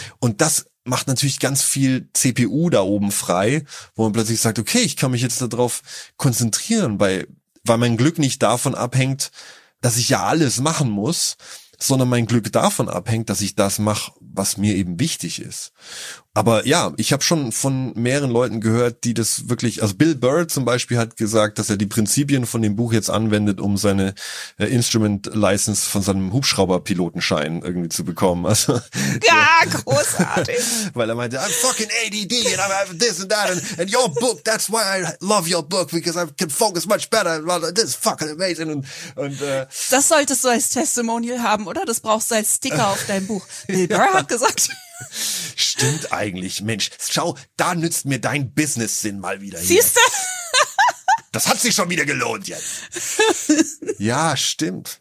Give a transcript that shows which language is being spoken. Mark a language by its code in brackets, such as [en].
[de] Und das macht natürlich ganz viel CPU da oben frei, wo man plötzlich sagt, okay, ich kann mich jetzt darauf konzentrieren, weil mein Glück nicht davon abhängt, dass ich ja alles machen muss, sondern mein Glück davon abhängt, dass ich das mache, was mir eben wichtig ist. Aber ja, ich habe schon von mehreren Leuten gehört, die das wirklich, also Bill Burr zum Beispiel hat gesagt, dass er die Prinzipien von dem Buch jetzt anwendet, um seine Instrument License von seinem Hubschrauberpilotenschein irgendwie zu bekommen. Also, ja, großartig. Weil er meinte, [en] I'm fucking ADD and I have this and that and your book, that's why I love your book, because I can focus much better. This is fucking amazing. [de] Das solltest du als Testimonial haben, oder? Das brauchst du als Sticker auf deinem Buch. Bill Burr hat gesagt... Stimmt eigentlich, Mensch. Schau, da nützt mir dein Business-Sinn mal wieder hier. Siehst du? Das hat sich schon wieder gelohnt jetzt. Ja, stimmt.